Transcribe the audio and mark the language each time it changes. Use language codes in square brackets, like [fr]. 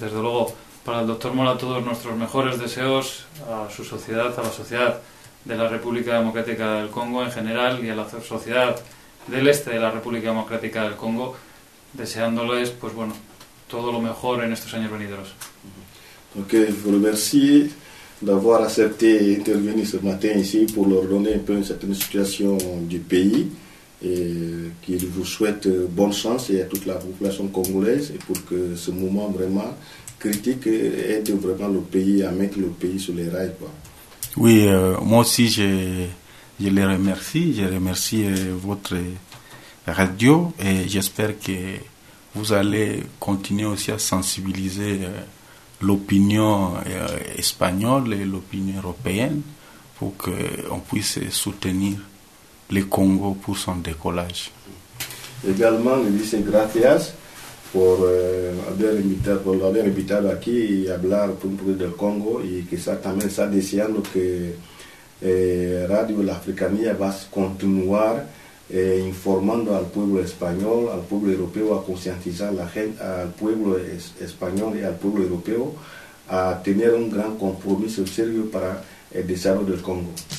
[es] Desde luego, para el doctor Mola, todos nuestros mejores deseos a su sociedad, a la sociedad de la República Democrática del Congo en general y a la sociedad del este de la República Democrática del Congo, deseándoles, pues bueno, todo lo mejor en estos años venideros. [fr] Ok, je vous remercie d'avoir accepté d'intervenir ce matin ici pour leur donner un peu une certaine situation du pays et qu'il vous souhaite bonne chance et à toute la population congolaise et pour que ce moment vraiment critique aide vraiment le pays à mettre le pays sur les rails. Quoi. Oui, moi aussi je les remercie, je remercie votre radio et j'espère que vous allez continuer aussi à sensibiliser l'opinion espagnole et l'opinion européenne pour qu'on puisse soutenir le Congo pour son décollage. Également, je dis [es] gracias por haber invitado aquí y hablar un poco del Congo y que [fr] ça [es] también está diciendo que Radio La Africanía va a continuar informando al pueblo español, al pueblo europeo, a concientizar a la gente, al pueblo español y al pueblo europeo a tener un gran compromiso serio para el desarrollo del Congo.